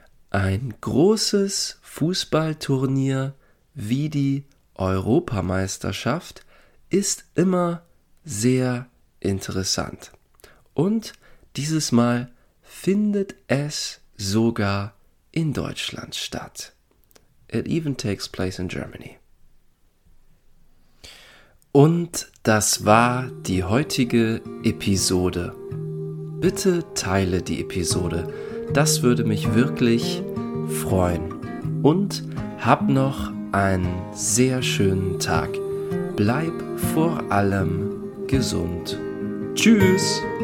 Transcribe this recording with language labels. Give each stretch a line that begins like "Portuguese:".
German: Ein großes Fußballturnier wie die Europameisterschaft ist immer sehr interessant. Und dieses Mal findet es sogar in Deutschland statt.
English: It even takes place in Germany.
German: Und das war die heutige Episode. Bitte teile die Episode. Das würde mich wirklich freuen. Und hab noch einen sehr schönen Tag. Bleib vor allem gesund. Tschüss!